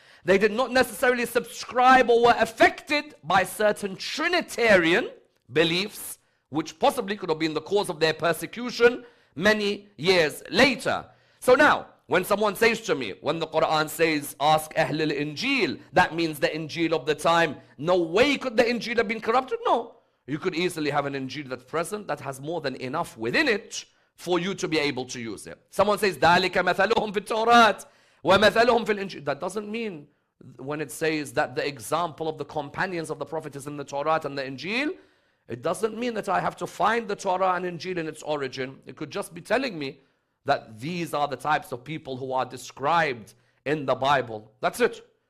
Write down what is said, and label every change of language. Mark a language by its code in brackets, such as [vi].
[en] They did not necessarily subscribe or were affected by certain Trinitarian beliefs, which possibly could have been the cause of their persecution many years later. So now, when someone says to me, when the Quran says, ask Ahlul Injil, that means the Injil of the time. No way could the Injil have been corrupted. No, you could easily have an Injil that's present that has more than enough within it for you to be able to use it. Someone says, [ar] ذَلِكَ مَثَلُهُمْ فِي التَّوْرَاتِ وَمَثَلُهُمْ فِي الْإِنْجِيلِ. [en] That doesn't mean when it says that the example of the companions of the Prophet is in the Torah and the Injil, it doesn't mean that I have to find the Torah and Injil in its origin. It could just be telling me that these are the types of people who are described in the Bible. That's it.